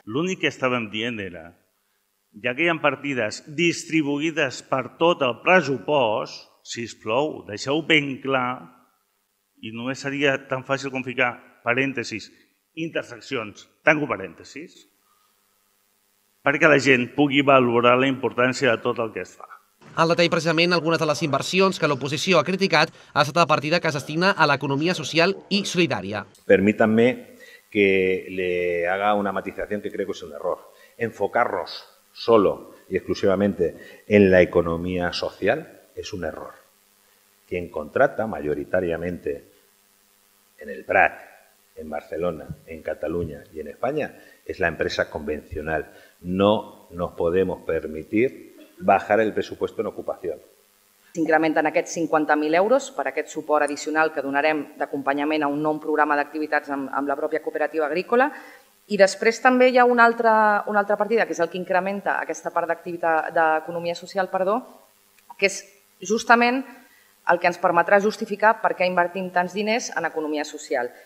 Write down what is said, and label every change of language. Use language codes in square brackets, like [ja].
[ca] L'únic que estàvem dient era, ja que hi ha partides distribuïdes per tot el pressupost, sisplau, deixeu ben clar, i només seria tan fàcil com ficar parèntesis, Interseccions, tanco parèntesis, perquè la gent pugui valorar la importància de tot el que es fa. En detall, precisament, algunes de les inversions que l'oposició ha criticat ha estat la partida que es destina a l'economia social i solidària. [es] Permítanme que le haga una matización que creo que es un error. Enfocarnos solo y exclusivamente en la economía social es un error. Quien contrata mayoritariamente en el Prat, en Barcelona, en Cataluña y en España, es la empresa convencional. No nos podemos permitir bajar el presupuesto en ocupación. [ca] S'incrementen aquests 50.000 euros per aquest suport addicional que donarem d'acompanyament a un nou programa d'activitats amb la pròpia cooperativa agrícola. I després també hi ha una altra partida, que és el que incrementa aquesta part d'activitat d'economia social, que és justament el que ens permetrà justificar per què invertim tants diners en economia social.